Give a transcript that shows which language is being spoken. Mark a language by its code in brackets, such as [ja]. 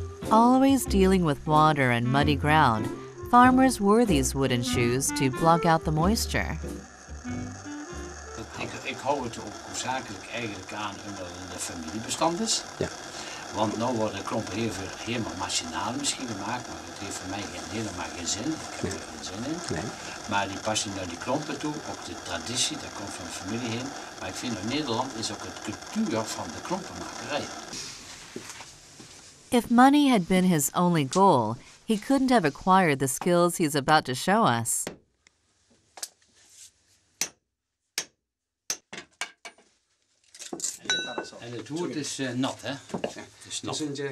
[en] Always dealing with water and muddy ground, farmers wore these wooden shoes to block out the moisture. [nl] Ik hou het ook hoofdzakelijk eigenlijk aan omdat het een familiebestand is. Ja. Want nu worden klompen helemaal machinaal misschien gemaakt, maar het heeft voor mij helemaal geen zin. Ik heb er geen zin in. Nee. Maar die passen naar die klompen toe, ook de traditie, dat komt van de familie heen. Maar ik vind in Nederland is ook het cultuur van de klompenmakerij. [en] If money had been his only goal, he couldn't have acquired the skills he's about to show us. [nl] En het woord is nat, hè? Het is nat.